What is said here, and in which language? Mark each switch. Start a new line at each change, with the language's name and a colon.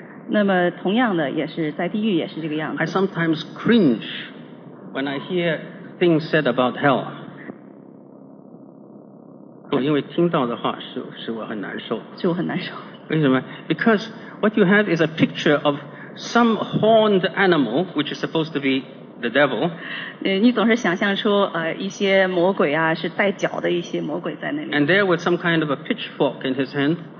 Chinese: 那么同样的也是在地狱也是这个样子
English: I sometimes cringe when I hear things said about hell
Chinese: 因为听到的话使我很难受使我很难受为什么
English: because what you have is a picture of some horned animal which is supposed to be the devil
Chinese: 你总是想象出一些魔鬼啊是带脚的一些魔鬼在那里
English: and there with some kind of a pitchfork in his hand